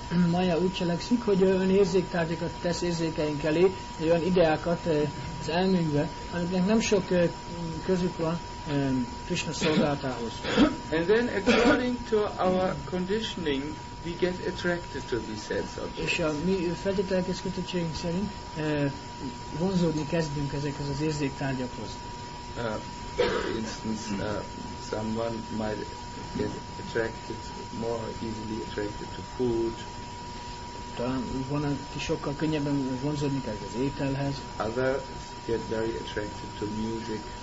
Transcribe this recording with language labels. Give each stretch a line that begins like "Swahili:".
Hungarian: Maya úgy cselekszik, hogy olyan érzéktárgyakat tesz érzékeink elé, olyan ideákat az elménybe, amiknek nem sok közük van Krishna szolgálatához.
English: And then according to our conditioning, we get attracted to these sense objects.
Hungarian: És a mi feltételekhez kötöttségünk szerint vonzódni kezdünk ezekhez az érzéktárgyakhoz.
English: For instance, someone might get attracted, more easily attracted to food.
Hungarian: Talán van, aki sokkal könnyebben vonzódni kezd az ételhez.
English: Others get very attracted to music.